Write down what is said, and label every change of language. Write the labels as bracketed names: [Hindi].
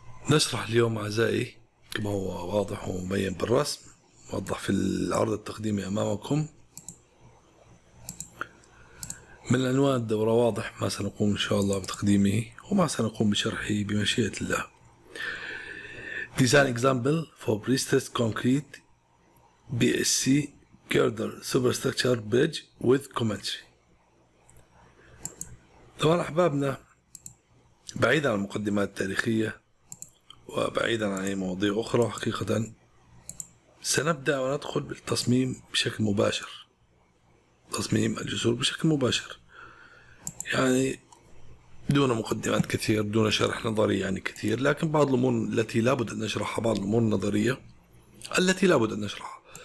[Arabic] نشرح اليوم أعزائي كما هو واضح ومبين بالرسم، واضح في العرض التقديمي أمامكم، من عنوان الدورة واضح ما سنقوم إن شاء الله بتقديمه وما سنقوم بشرحه بمشيئة الله. [English] Design example for pre-stressed concrete BSC girder superstructure bridge with commentary. [Arabic] طبعا أحبابنا، بعيدا عن المقدمات التاريخية وبعيدا عن أي مواضيع أخرى، حقيقة سنبدأ وندخل بالتصميم بشكل مباشر، تصميم الجسور بشكل مباشر، يعني دون مقدمات كثير، دون شرح نظري يعني كثير، لكن بعض الأمور التي لابد أن نشرحها، بعض الأمور النظرية التي لابد أن نشرحها.